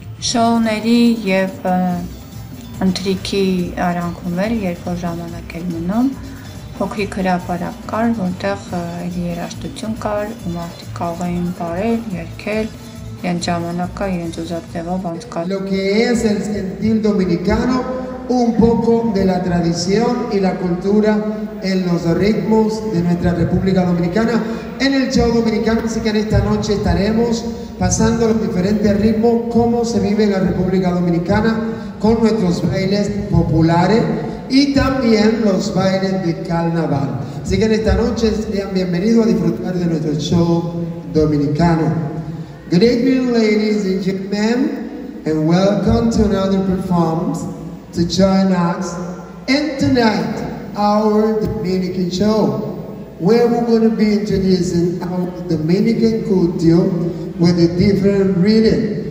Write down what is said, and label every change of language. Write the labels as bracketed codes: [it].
[hy] Շոուների և ընթրիքի արանքում էր, երբ որ ժամանակ էր մնում, փոքրիկ հրապարակ կար, որտեղ երաժշտություն կար ու մարդիկ կարող էին պարել, երգել, իրենց ժամանակը իրենց ուզած ձևով անցկացնել։ [es] Lo que es el sentir dominicano, un poco de la tradición y la cultura en los ritmos de nuestra República Dominicana, en el show dominicano. Así que en esta noche estaremos pasando los diferentes ritmos, cómo se vive en la República Dominicana con nuestros bailes populares y también los bailes de carnaval. Así que en esta noche sean bienvenidos a disfrutar de nuestro show dominicano. [en] Good evening, ladies and gentlemen, and welcome to another performance to join us in tonight, our Dominican show, where we're going to be introducing our Dominican culture with a different rhythm.